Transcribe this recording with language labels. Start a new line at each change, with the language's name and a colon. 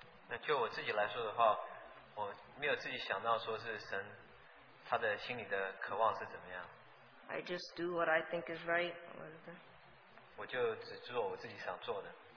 Chinese: 那就我自己来说的话，我没有自己想到说是神他的心里的渴望是怎么样。
English: I just do what I think is right.
Chinese: 我就只做我自己想做的。